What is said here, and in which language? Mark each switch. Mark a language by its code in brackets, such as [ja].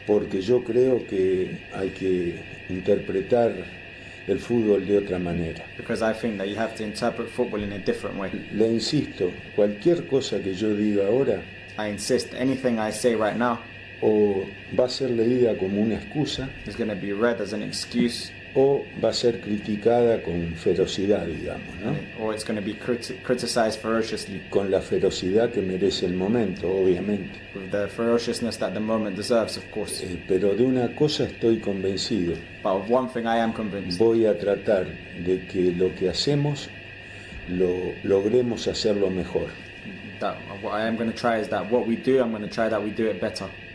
[es] porque yo creo que hay que interpretar el fútbol de otra manera. [en] Because I think that you have to interpret football in a different way. [es] Le insisto, cualquier cosa que yo diga ahora [en] I insist anything I say right now [es] o va a ser leída como una excusa [en] is going to be read as an excuse. [es] o va a ser criticada con ferocidad, digamos, [en] And [es] ¿no? [en] or it's going to be criticized ferociously. [es] Con la ferocidad que merece el momento, obviamente. [en] With the ferociousness that the moment deserves, of course. [es] Pero de una cosa estoy convencido. [en] But of one thing I am convinced. [es] Voy a tratar de que lo que hacemos lo logremos hacerlo mejor. [en] That what I am going to try is that what we do, I'm going to try that we do it better.